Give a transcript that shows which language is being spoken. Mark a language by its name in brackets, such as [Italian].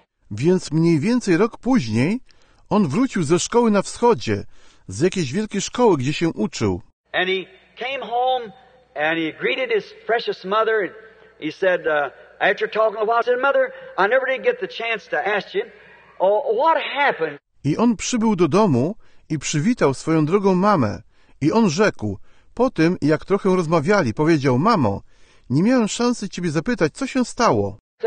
[Polish] Więc mniej więcej rok później on wrócił ze szkoły na wschodzie, z jakiejś wielkiej szkoły, gdzie się uczył. [English] And he came home and he greeted his precious mother. He said, after talking a while, I said, mother, I never did get the chance to ask you, what happened? [Polish] I on przybył do domu i przywitał swoją drogą mamę. I on rzekł, po tym, jak trochę rozmawiali, powiedział, mamo, nie miałem szansy ciebie zapytać, co się stało.